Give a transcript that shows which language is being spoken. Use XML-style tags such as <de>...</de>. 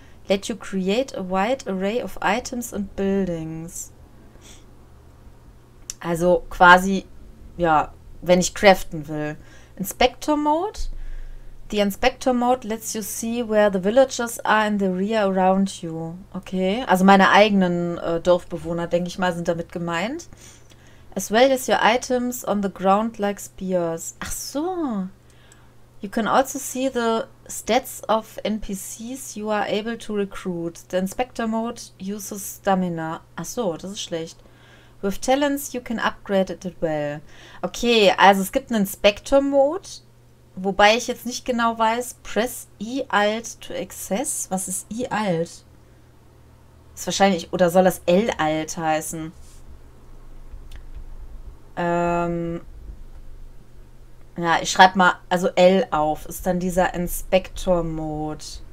<en>Let you create a wide array of items and buildings.</en> <de>Also quasi, ja, wenn ich craften will.</de> <en>Inspector Mode. The Inspector Mode lets you see where the villagers are in the rear around you.</en> <de>Okay, also meine eigenen Dorfbewohner, denke ich mal, sind damit gemeint.</de> <en>As well as your items on the ground like spears.</en> <de>Ach so.</de> <en>You can also see the stats of NPCs you are able to recruit. The Inspector Mode uses Stamina.</en> <de>Ach so, das ist schlecht.</de> <en>With Talents you can upgrade it well.</en> <de>Okay, also es gibt einen Spectre-Mode, wobei ich jetzt nicht genau weiß,</de> <en>press I-Alt to access.</en> <de>Was ist I-Alt? Ist wahrscheinlich, oder soll das L-Alt heißen? Ja, ich schreibe mal, also L auf, ist dann dieser Inspector-Mode.</de>